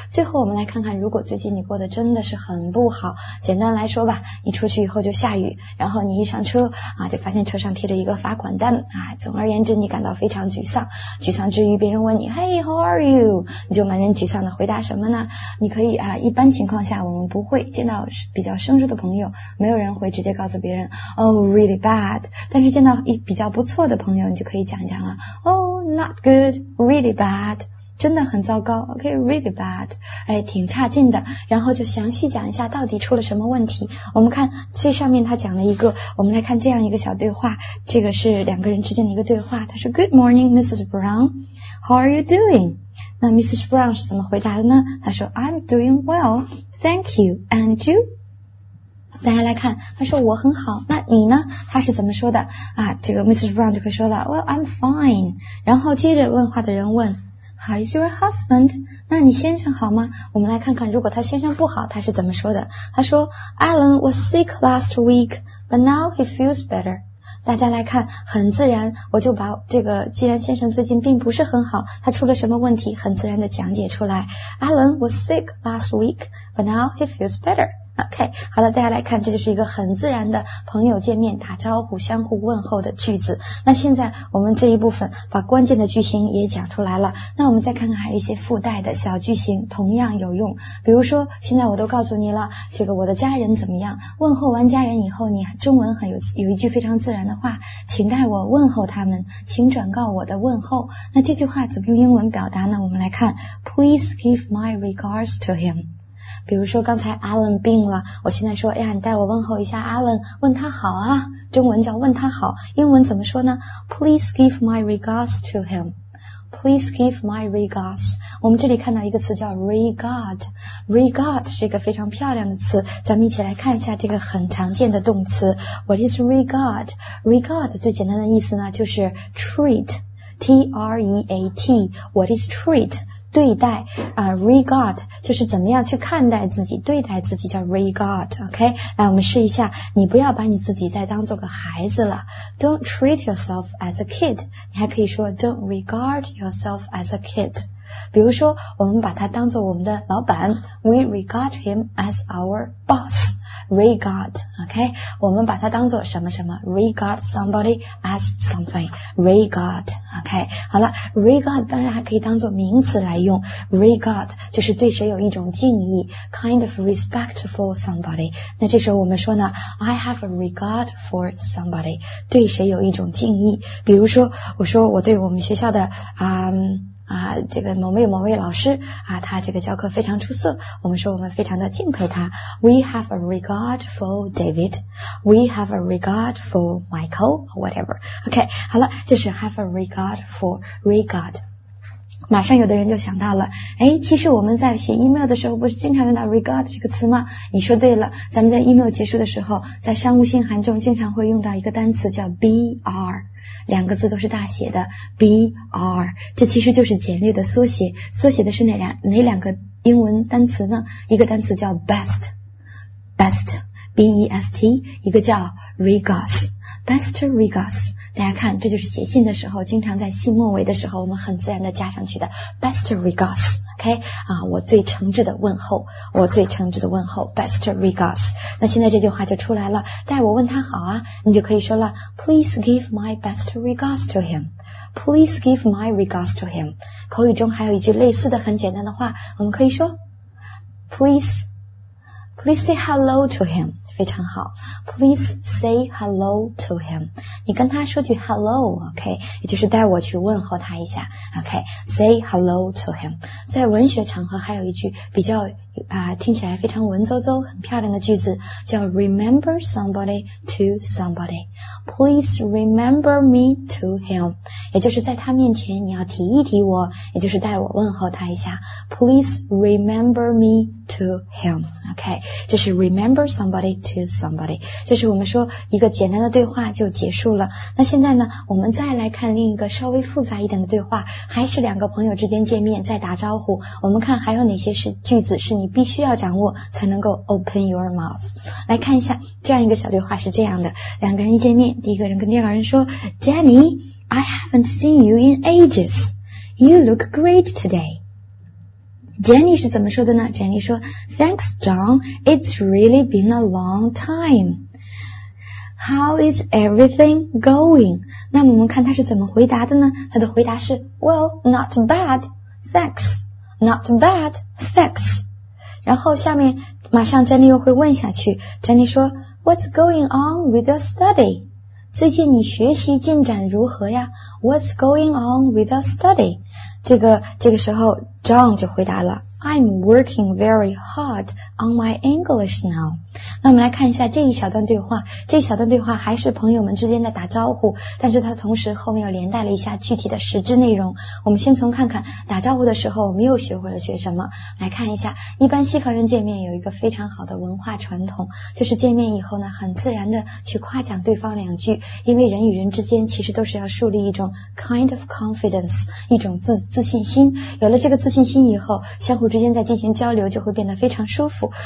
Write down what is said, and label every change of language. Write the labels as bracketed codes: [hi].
[zh] 最后我们来看看，如果最近你过得真的是很不好，简单来说吧，你出去以后就下雨，然后你一上车就发现车上贴着一个罚款单总而言之你感到非常沮丧，沮丧之余别人问你 , [en] Hey, how are you? [zh] 你就满脸沮丧的回答什么呢？你可以一般情况下我们不会见到比较生疏的朋友，没有人会直接告诉别人 [en] Oh, really bad. [zh] 但是见到一比较不错的朋友，你就可以讲讲了 [en] Oh, not good, really bad. [zh] 真的很糟糕 [en] OK, really bad. [zh] 哎，挺差劲的。然后就详细讲一下到底出了什么问题。我们看最上面他讲了一个，我们来看这样一个小对话，这个是两个人之间的一个对话。他说 [en] Good morning, Mrs. Brown. How are you doing? 那 Mrs. [zh] Brown 是怎么回答的呢？他说 [en] I'm doing well, thank you, and you? [zh] 大家来看，他说我很好，那你呢？他是怎么说的啊？这个 Mrs. [en] Brown [zh] 就会说了 [en] Well, I'm fine. [zh] 然后接着问话的人问 [en] How is your husband? [zh] 那你先生好吗？我们来看看，如果他先生不好，他是怎么说的？他说 [en] Alan was sick last week, but now he feels better. [zh] 大家来看，很自然，我就把这个既然先生最近并不是很好，他出了什么问题，很自然的讲解出来。 [en] Alan was sick last week, but now he feels better. [zh] OK, 好了，大家来看，这就是一个很自然的朋友见面打招呼相互问候的句子。那现在我们这一部分把关键的句型也讲出来了，那我们再看看还有一些附带的小句型同样有用。比如说现在我都告诉你了这个我的家人怎么样，问候完家人以后，你中文很有一句非常自然的话，请代我问候他们，请转告我的问候。那这句话怎么用英文表达呢？我们来看 [en] Please give my regards to him。 [zh] 比如说刚才 Alan 病了，我现在说哎呀，你带我问候一下 Alan, 问他好啊，中文叫问他好，英文怎么说呢？ [en] Please give my regards to him. Please give my regards. [zh] 我们这里看到一个词叫 regard. Regard 是一个非常漂亮的词，咱们一起来看一下这个很常见的动词。 [en] What is regard? Regard [zh] 最简单的意思呢就是 [en] treat. T-R-E-A-T. What is treat? [zh] 对待regard 就是怎么样去看待自己，对待自己叫 regard, OK? 来我们试一下，你不要把你自己再当做个孩子了。 [en] Don't treat yourself as a kid. [zh] 你还可以说 [en] Don't regard yourself as a kid. [zh] 比如说我们把他当做我们的老板， [en] We regard him as our boss. Regard, OK? [zh] 我们把它当作什么什么 [en] ,regard somebody as something, regard, OK? [zh] 好了 ,regard 当然还可以当作名词来用 ,regard 就是对谁有一种敬意 , [en] kind of respect for somebody, [zh] 那这时候我们说呢 , [en] I have a regard for somebody, [zh] 对谁有一种敬意。比如说我说我对我们学校的啊，这个某位老师啊，他这个教课非常出色，我们说我们非常的敬佩他。 [en] We have a regard for David. We have a regard for Michael or whatever. OK, [zh] 好了，就是 [en] have a regard for regard. [zh] 马上有的人就想到了，哎，其实我们在写 email 的时候不是经常用到 regard 这个词吗？你说对了，咱们在 email 结束的时候，在商务信函中经常会用到一个单词叫 BR， 两个字都是大写的 BR， 这其实就是简略的缩写，缩写的是哪两个英文单词呢？一个单词叫 best B-E-S-T， 一个叫 regards， best regards。大家看，这就是写信的时候经常在信末尾的时候我们很自然的加上去的 best regards， OK 啊，我最诚挚的问候 best regards。那现在这句话就出来了，待我问他好啊，你就可以说了 [en] please give my best regards to him， [zh] please give my regards to him。口语中还有一句类似的很简单的话，我们可以说 [en] please say hello to him， [zh] 非常好。 [en] Please say hello to him. [zh] 你跟他说句 [en] hello, OK? [zh] 也就是带我去问候他一下。OK? [en] Say hello to him. [zh] 在文学场合还有一句比较听起来非常文绉绉很漂亮的句子，叫 [en] remember somebody to somebody. Please remember me to him. [zh] 也就是在他面前你要提一提我，也就是带我问候他一下。 [en] Please remember me to him. OK? [zh] 这是 [en] remember somebody to somebody。 [zh] 这是我们说一个简单的对话就结束了。那现在呢，我们再来看另一个稍微复杂一点的对话，还是两个朋友之间见面再打招呼，我们看还有哪些是句子是你必须要掌握才能够 [en] open your mouth。 [zh] 来看一下这样一个小对话，是这样的，两个人一见面，第一个人跟第二个人说， [en] Jenny, I haven't seen you in ages. You look great todayJenny [zh] 是怎么说的呢？ [en] Jenny 说 Thanks John, it's really been a long time. How is everything going? [zh] 那我们看他是怎么回答的呢？他的回答是 [en] Well, not bad, thanks. Not bad, thanks. [zh] 然后下面马上 [en] Jenny [zh] 又会问下去， [en] Jenny 说 What's going on with your study? [zh] 最近你学习进展如何呀？ [en] What's going on with your study? [zh] 这个时候 John 就回答了， [en] I'm working very hard on my English now。 [zh] 那我们来看一下这一小段对话，这一小段对话还是朋友们之间的打招呼，但是它同时后面又连带了一下具体的实质内容。我们先从看看打招呼的时候我们又学会了学什么来看一下。一般西方人见面有一个非常好的文化传统，就是见面以后呢很自然的去夸奖对方两句，因为人与人之间其实都是要树立一种 [en] kind of confidence， [zh] 一种自信心，有了这个自信心以后，相互之间在进行交流就会变得非常舒服。